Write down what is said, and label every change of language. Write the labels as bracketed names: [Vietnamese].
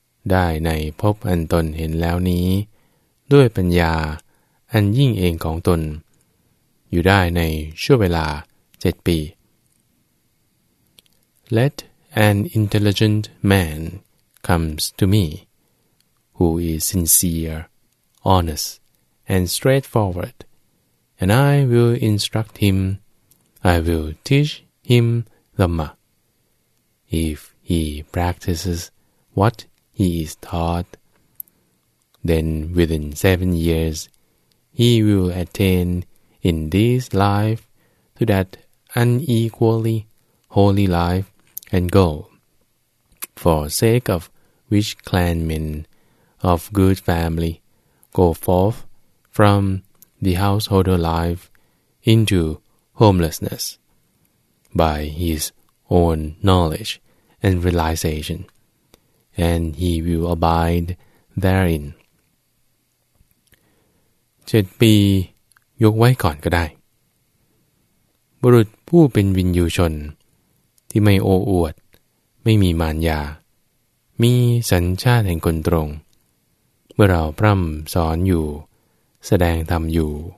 [Thai] ได้ในภพอันตนเห็นแล้วนี้ด้วยปัญญาอันยิ่งเองของตนอยู่ได้ในช่วงเวลา7ปี [English] Let an intelligent man comes to me who is sincere, honestand straightforward, and I will instruct him, I will teach him Dhamma. If he practices what he is taught, then within 7 years, he will attain in this life to that unequally holy life and goal, for sake of which clanmen of good family go forthfrom the householder life into homelessness by his own knowledge and realization, and he will abide therein. [Thai] 7 ปียกไว้ก่อนก็ได้บุรุษผู้เป็นวินยูชนที่ไม่โอ้อวดไม่มีมารยามีสัญชาติแห่งคนตรงเมื่อเราพร่ำสอนอยู่แสดงธรรมอยู่